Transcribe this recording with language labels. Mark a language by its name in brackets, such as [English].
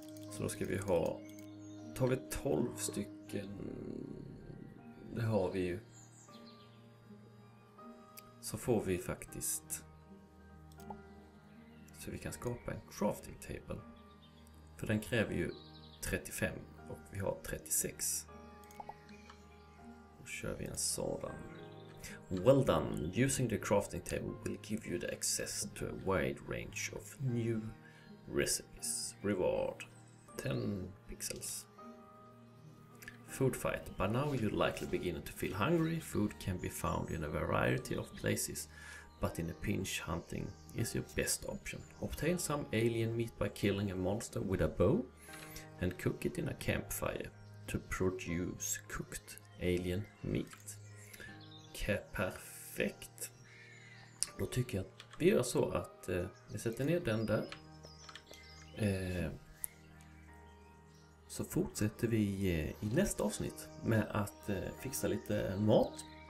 [Swedish] Så då ska vi ha, tar vi 12 stycken, det har vi ju, så får vi faktiskt, så vi kan skapa en crafting table, för den kräver ju 35 och vi har 36. Då kör vi en sådan. [English] Well done. Using the crafting table will give you the access to a wide range of new recipes. Reward 10 pixels. Food fight. By now you're likely beginning to feel hungry. Food can be found in a variety of places, but in a pinch, hunting is your best option. Obtain some alien meat by killing a monster with a bow and cook it in a campfire to produce cooked alien meat. [Swedish] Perfekt. Då tycker jag att vi gör så att vi sätter ner den där. Så fortsätter vi i nästa avsnitt med att fixa lite mat.